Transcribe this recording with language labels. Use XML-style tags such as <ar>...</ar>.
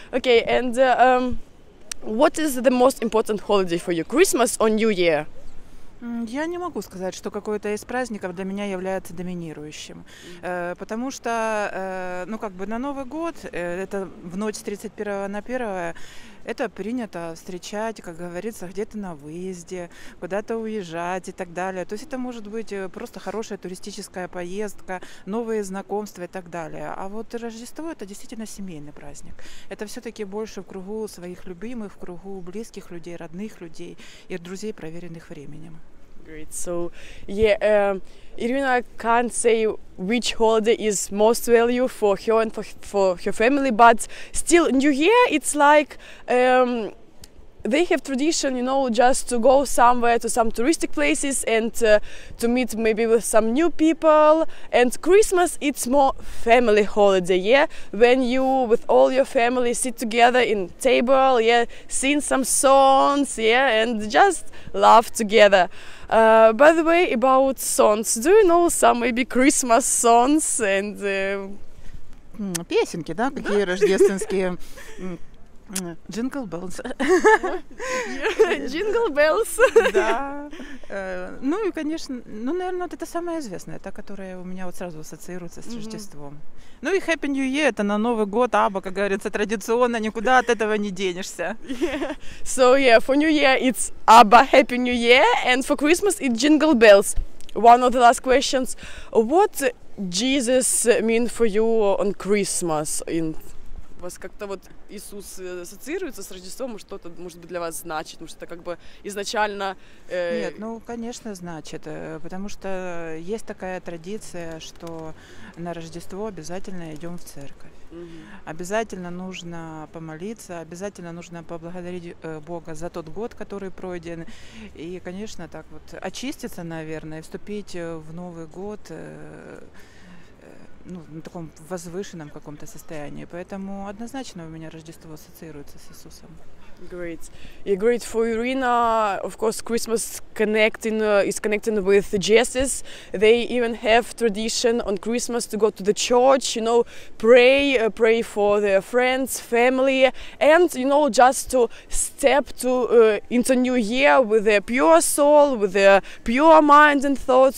<en>Okay, and what is the most important holiday for you, Christmas or New Year?</en> <ru>Я не могу сказать, что какой-то из праздников для меня является доминирующим, потому что, ну, как бы на Новый год, это в ночь с 31 на 1, это принято встречать, как говорится, где-то на выезде, куда-то уезжать и так далее. То есть это может быть просто хорошая туристическая поездка, новые знакомства и так далее. А вот Рождество – это действительно семейный праздник. Это все-таки больше в кругу своих любимых, в кругу близких людей, родных людей и друзей, проверенных временем.</ru> <en>Great. So, yeah, Irina can't say which holiday is most value for her and for her family, but still, New Year, it's like they have tradition, you know, just to go somewhere to some touristic places and to meet maybe with some new people. And Christmas, it's more family holiday, yeah? When you, with all your family, sit together in table, yeah, sing some songs, yeah, and just laugh together. By the way, about songs, do you know some maybe Christmas songs and...</en> <ru>Песенки, да, какие рождественские...</ru> <en>Jingle bells. Jingle bells.</en> <ru>Да. Ну и, конечно, ну, наверное, вот это самое известное, та, которая у меня вот сразу ассоциируется с Рождеством. Mm-hmm. Ну и Happy New Year, это на Новый год, аба, как говорится, традиционно, никуда от этого не денешься.</ru> <en>Yeah. So, yeah, for New Year it's Abba, Happy New Year, and for Christmas it's Jingle Bells. One of the last questions. What Jesus mean for you on Christmas in...</en> <ru>У вас как-то вот Иисус ассоциируется с Рождеством, что-то, может быть, для вас значит, может, это как бы изначально... Нет, ну, конечно, значит, потому что есть такая традиция, что на Рождество обязательно идем в церковь. Mm-hmm. Обязательно нужно помолиться, обязательно нужно поблагодарить Бога за тот год, который пройден, и, конечно, так вот очиститься, наверное, вступить в Новый год... Ну, на таком возвышенном каком-то состоянии. Поэтому однозначно у меня Рождество ассоциируется с Иисусом.</ru> <en>Great. Yeah, great for Irina. Of course, Christmas connecting is connecting with Jesus. They even have tradition on Christmas to go to the church, you know, pray for their friends, family, and, you know, just to step to into new year with their pure soul, with their pure mind and thoughts.</en>